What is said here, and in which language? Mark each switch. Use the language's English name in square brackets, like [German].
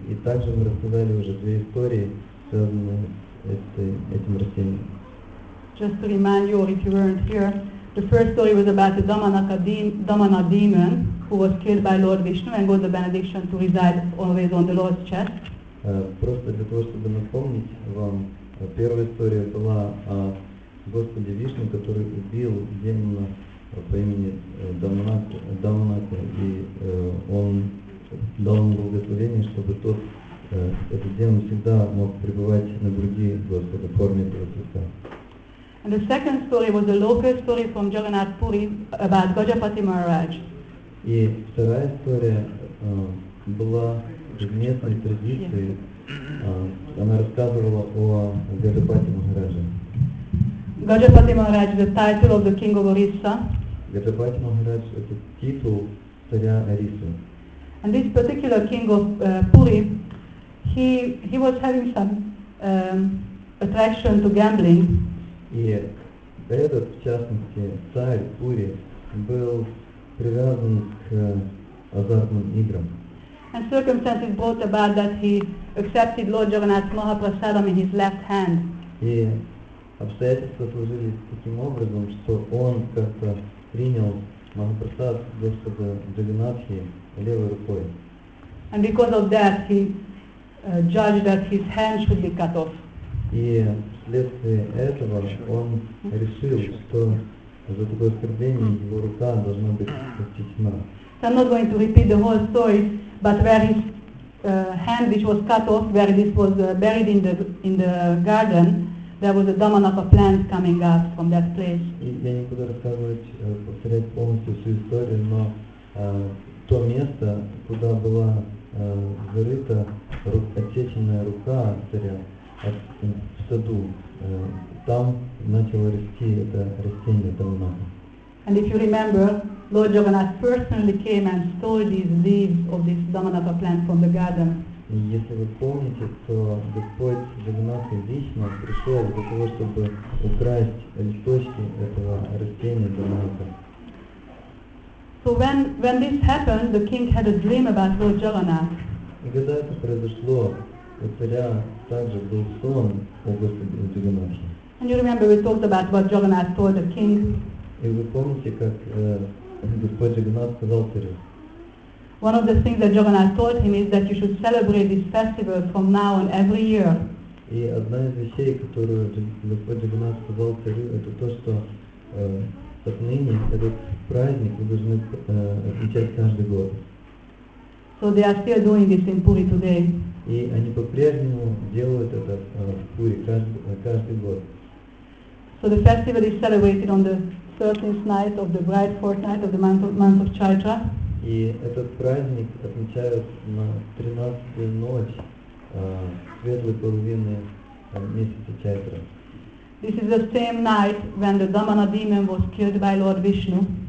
[Russian] И также мы рассказали уже две истории, связанные с этим растением. [English] Just to remind you, or if you weren't here, the first story was about the Damana demon who was killed by Lord Vishnu and got the benediction to reside always on the Lord's chest. [Russian] Просто для того, чтобы напомнить вам, первая история была о Господе Вишну, который убил демона по имени Даманака, и он дал ему благословение, чтобы тот, этот демон всегда мог пребывать на груди Господа, кормить этого Христа. [English] And the second story was a local story from Jagannath Puri about Gajapati Maharaj. [Russian] И вторая история была из местной традиции. Она рассказывала о Гаджапати Махарадже. [English] Gajapati Maharaj is the title of the king of Orissa. [Russian] Gajapati Maharaj – это титул царя Орисы. [English] And this particular king of Puri, he was having some attraction to gambling. [Russian] И этот, в частности, царь Пури был привязан к азартным играм. [English] And circumstances brought about that he accepted Lord Jagannath Mahaprasadam in his left hand. [Russian] И обстоятельства сложились таким образом, что он как-то принял Махапрасад Господа Джагнатхи левой рукой. [English] And because of that he judged that his hand should be cut off. [Russian] И вследствие этого он решил, что за такое оскорбление его рука должна быть отсечена. [English] So I'm not going to repeat the whole story, but where his hand which was cut off, where this was buried in the garden, there was a Damanaka plant coming up from that place. [Russian] Я не буду рассказывать, повторять полностью всю историю, но то место, куда была зарыта отсеченная рука царя, в саду, там начало расти это растение Даманака. [English] And if you remember, Lord Jagannath personally came and stole these leaves of this Damanaka plant from the garden. [Russian] Если вы помните, то Господь Джагнат лично пришел для того, чтобы украсть листочки этого растения Даманака. [English] So when this happened, the king had a dream about Lord Jagannath. [Russian] И когда это произошло, у царя также был сон о Господе Джагнатхе. [English] And you remember we talked about what Jagannath told the king. [Russian] И вы помните, как Господь Джагнат сказал царю? [English] One of the things that Jagannath told him is that you should celebrate this festival from now on every year. [Russian] И одна из вещей, которую Господь Джагнат сказал царю, это то, что отныне этот праздник вы должны отмечать каждый год. [English] So they are still doing this in Puri today. [Russian] И они по-прежнему делают это в Пури каждый год. [English] So the festival is celebrated on the 13th night of the bright fortnight of the month of Chaitra. [Russian] И этот праздник отмечают на 13-ю ночь светлой половины месяца Чайтра. [English] This is the same night when the Damana demon was killed by Lord Vishnu.